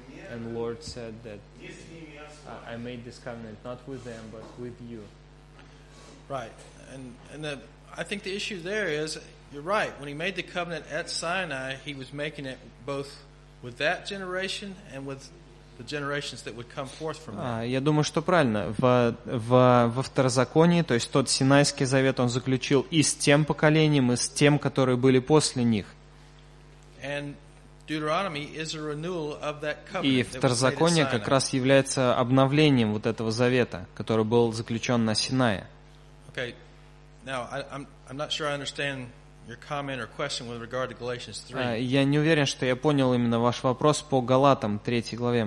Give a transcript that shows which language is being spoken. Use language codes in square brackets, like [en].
[en] And Lord said that I made this covenant not with them, but with you. Right. And I think the issue there is, you're right, when he made the covenant at Sinai, he was making it both with that generation and with the generations that would come forth from that. [ru] Я думаю, что правильно. Во второзаконии, то есть тот Синайский завет, он заключил и с тем поколением, и с тем, которые были после них. [en] And Deuteronomy is a renewal of that covenant. [ru] И второзаконие как раз является обновлением вот этого завета, который был заключен на Синае. [en] Okay. Now, I'm not sure I understand your comment or question with regard to Galatians 3. [ru] Я не уверен, что я понял именно ваш вопрос по Галатам 3 главе.